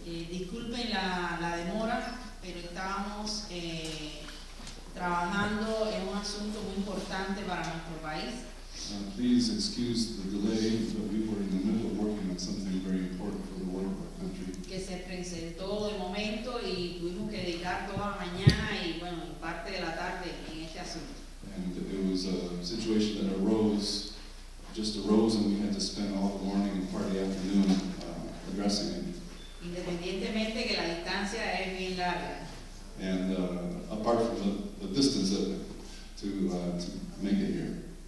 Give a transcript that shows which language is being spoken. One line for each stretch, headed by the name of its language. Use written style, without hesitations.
Spanish: Disculpen la demora, pero estábamos trabajando en un asunto muy importante para nuestro país.
English: Please excuse the delay, but we were in the middle of working on something very important for the world of our country.
Spanish: Que se presentó de momento y tuvimos que dedicar toda la mañana y bueno, parte de la tarde en este asunto.
English: And it was a situation that arose. Just arose and we had to spend all the morning and part of the afternoon addressing it.
Spanish: Independientemente que la distancia es bien larga.
English: And apart from the distance of it to make it here.